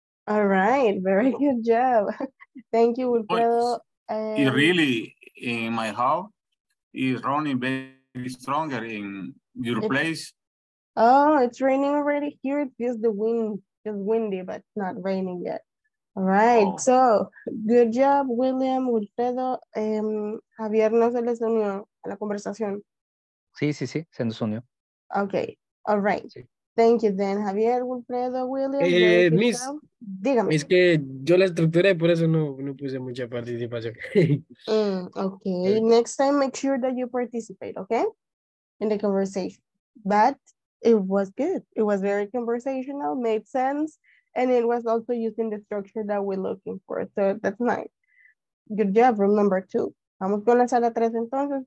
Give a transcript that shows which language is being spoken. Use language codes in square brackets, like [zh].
[en] All right, very good job. Thank you, Wilfredo. It really in my house is running very stronger in your place. Oh, it's raining already here. It feels the wind, it's windy, but not raining yet. All right. Oh. So good job, William, Wilfredo. [es] Javier no se les unió a la conversación. Sí, se nos unió. [en] Okay. All right. Sí. Thank you then, Javier, Wilfredo, William. Miss, [es] dígame. Es que yo la estructuré, por eso no puse mucha participación. [en] Okay. Yeah. Next time, make sure that you participate, okay? In the conversation, but it was good. It was very conversational, made sense, and it was also using the structure that we're looking for. So that's nice. Good job, room number two. [es] Vamos con la sala tres entonces.